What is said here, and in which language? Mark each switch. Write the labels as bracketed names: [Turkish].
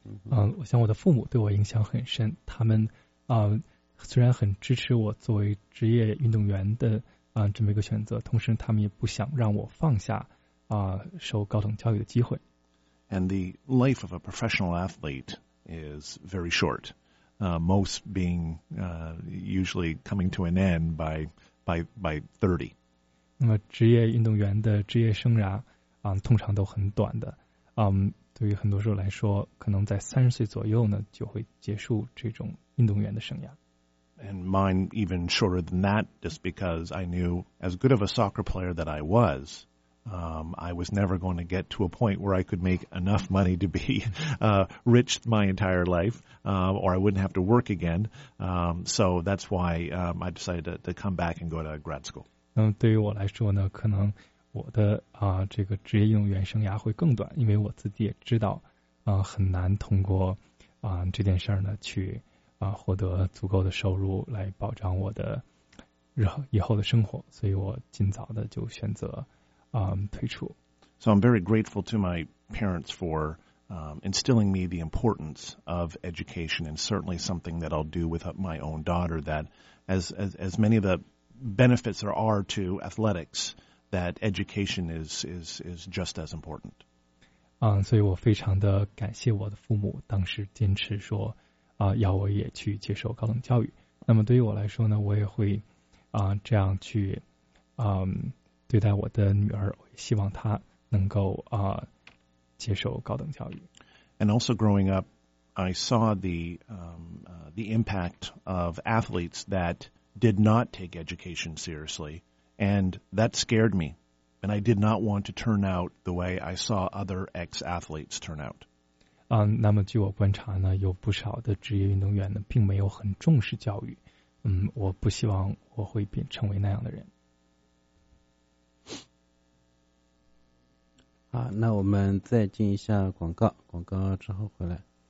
[Chinese] 我想我的父母对我影响很深，他们虽然很支持我作为职业运动员的这么一个选择，同时他们也不想让我放下受高等教育的机会。 [English] And the life of a professional athlete is very short, most being usually coming to an end by 30. [Chinese] 那么职业运动员的职业生涯通常都很短的，对于很多时候来说，可能在30岁左右呢就会结束这种运动员的生涯。 [English] And mine even shorter than that, just because I knew as good of a soccer player that I was, I was never going to get to a point where I could make enough money to be rich my entire life, or I wouldn't have to work again. So that's why I decided to come back and go to grad school. [Chinese] 对于我来说呢，可能我的这个职业运动员生涯会更短，因为我自己也知道很难通过这件事儿呢去获得足够的收入来保障我的以后的生活，所以我尽早的就选择退出。 [English] So I'm very grateful to my parents for instilling me the importance of education, and certainly something that I'll do with my own daughter, that as many of the benefits there are to athletics, that education is just as important. [Chinese] 所以我非常的感谢我的父母当时坚持说要我也去接受高等教育。那么对于我来说呢，我也会这样去对待我的女儿，我希望她能够接受高等教育。 [English] And also growing up, I saw the impact of athletes that did not take education seriously. And that scared me, and I did not want to turn out the way I saw other ex-athletes turn out. [Chinese] 那么据我观察呢，有不少的职业运动员呢，并没有很重视教育。我不希望我会成为那样的人。好，那我们再进一下广告，广告之后回来。